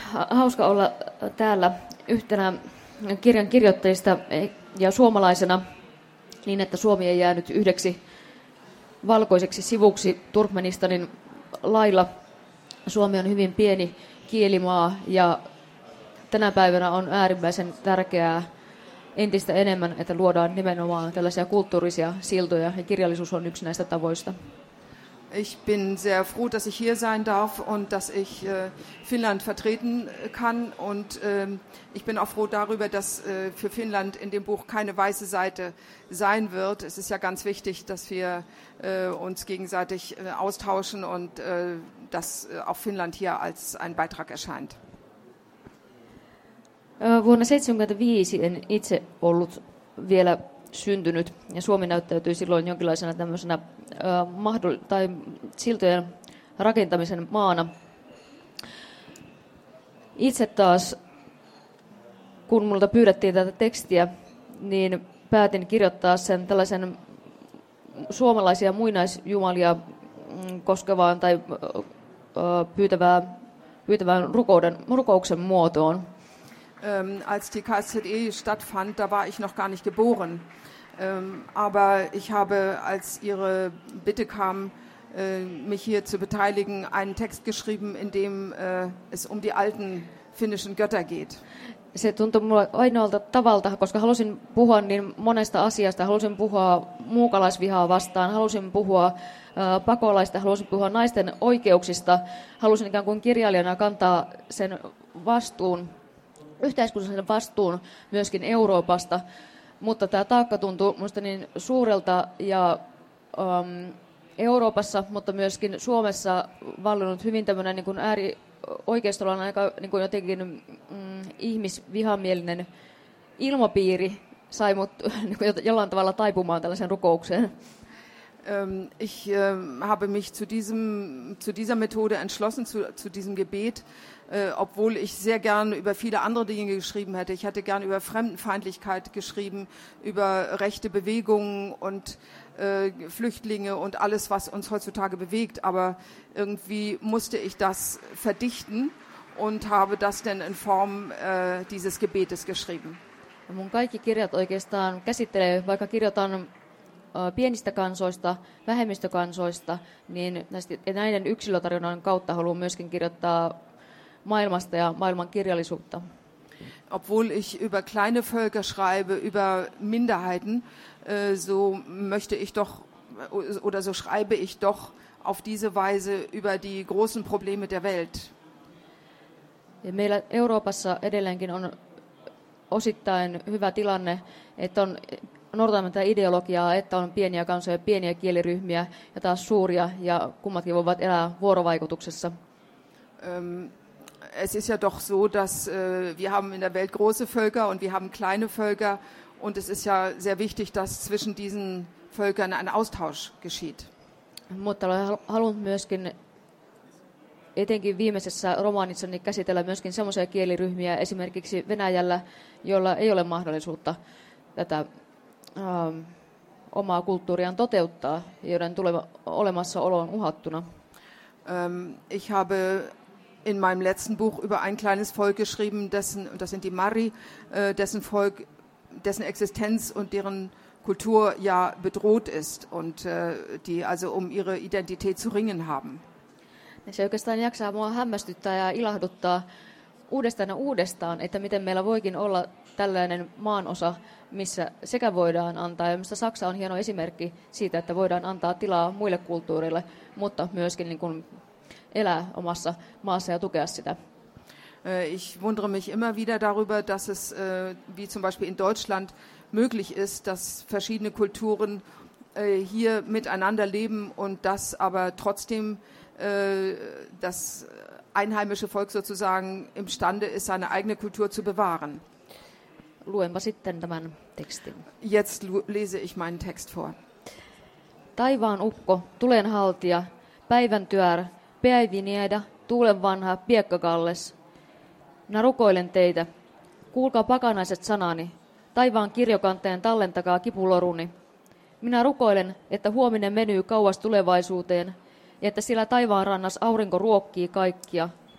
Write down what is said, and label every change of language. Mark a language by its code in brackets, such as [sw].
[fi] Hauska olla täällä yhtenä kirjan kirjoittajista ja suomalaisena niin, että Suomi ei jäänyt yhdeksi valkoiseksi sivuksi Turkmenistanin lailla. Suomi on hyvin pieni kielimaa ja tänä päivänä on äärimmäisen tärkeää entistä enemmän, että luodaan nimenomaan tällaisia kulttuurisia siltoja ja kirjallisuus on yksi näistä tavoista. [de] Ich bin sehr froh, dass ich hier sein darf und dass ich Finnland vertreten kann. Und ich bin auch froh darüber, dass für Finnland in dem Buch keine weiße Seite sein wird. Es ist ja ganz wichtig, dass wir uns gegenseitig austauschen und dass auch Finnland hier als ein Beitrag erscheint. [fi] Vuonna 1975 en itse ollut vielä syntynyt ja Suomi näyttäytyi silloin jonkinlaisena tämmöisenä tai siltojen rakentamisen maana. Itse taas, kun multa pyydettiin tätä tekstiä, niin päätin kirjoittaa sen tällaisen suomalaisia muinaisjumalia koskevaan tai pyytävään rukouksen muotoon. [de] Als die KZE stattfand, da war ich noch gar nicht geboren. Aber ich habe, als Ihre Bitte kam, mich hier zu beteiligen, einen Text geschrieben, in dem es um die alten finnischen Götter geht. [fi] Se tuntui mulle ainoalta tavalta, koska halusin puhua niin monesta asiasta. Halusin puhua muukalaisvihaa vastaan, halusin puhua pakolaista, halusin puhua naisten oikeuksista. Halusin ikään kuin kirjailijana kantaa sen vastuun, yhteiskunnallisen vastuun myöskin Euroopasta. Mutta tämä taakka tuntuu minusta niin suurelta ja Euroopassa, mutta myöskin Suomessa vallinnut hyvin tämmöinen niin kuin äärioikeistolla aika niin kuin jotenkin ihmisvihamielinen ilmapiiri sai mut niin kuin jollain tavalla taipumaan tällaiseen rukoukseen. [de] Ich habe mich zu dieser Methode entschlossen, zu diesem Gebet, obwohl ich sehr gern über viele andere Dinge geschrieben hätte. Ich hätte gern über Fremdenfeindlichkeit geschrieben, über rechte Bewegungen und Flüchtlinge und alles, was uns heutzutage bewegt. Aber irgendwie musste ich das verdichten und habe das denn in Form dieses Gebetes geschrieben. [fi] Mun kaikki kirjat oikeastaan käsittelee, vaikka kirjoitan pienistä kansoista, vähemmistökansoista, niin näiden yksilötarinoiden kautta haluan myöskin kirjoittaa maailmasta ja maailman kirjallisuutta. [de] Obwohl ich über kleine Völker schreibe, über Minderheiten, so möchte ich doch oder so schreibe ich doch auf diese Weise über die großen Probleme der Welt. [fi] Meillä Euroopassa edelleenkin on osittain hyvä tilanne, että on nortaamme tätä ideologiaa, että on pieniä kansoja, pieniä kieliryhmiä ja taas suuria ja kummatkin voivat elää vuorovaikutuksessa. [de] Es ist ja doch so, dass wir haben in der Welt große Völker und wir haben kleine Völker und es ist ja sehr wichtig, dass zwischen diesen Völkern ein Austausch geschieht. [fi] Mutta haluan myöskin etenkin viimeisessä romaanissani käsitellä myöskin semmoisia kieliryhmiä esimerkiksi Venäjällä, joilla ei ole mahdollisuutta tätä omaa kulttuuriaan toteuttaa, joiden tuleva olemassaolo on uhattuna. [de] Ich habe in meinem letzten Buch über ein kleines Volk geschrieben, dessen, das sind die Mari, dessen Volk, dessen Existenz und deren Kultur ja bedroht ist und die also um ihre Identität zu ringen haben. [fi] Se oikeastaan jaksaa mua hämmästyttää ja ilahduttaa uudestaan ja uudestaan, että miten meillä voikin olla tällainen maanosa, missä sekä voidaan antaa, ja minusta Saksa on hieno esimerkki siitä, että voidaan antaa tilaa muille kulttuurille, mutta myöskin niin kuin elää omassa maassa ja tukea sitä. [de] Ich wundere mich immer wieder darüber, dass es wie zum Beispiel in Deutschland möglich ist, dass verschiedene Kulturen hier miteinander leben und das aber trotzdem das einheimische Volk sozusagen imstande ist, seine eigene Kultur zu bewahren. [fi] Luenpa sitten tämän tekstin. [de] Jetzt lese ich meinen Text vor. [fi] Taivaan ukko, tulen haltia, päivän työr, päivinieda, tuulen vanha, piekkakalles. Minä rukoilen teitä, kuulkaa pakanaiset sanani, taivaan kirjokanteen tallentakaa kipuloruni. Minä rukoilen, että huominen menyy kauas tulevaisuuteen, ja että siellä taivaan rannas aurinko ruokkii kaikkia.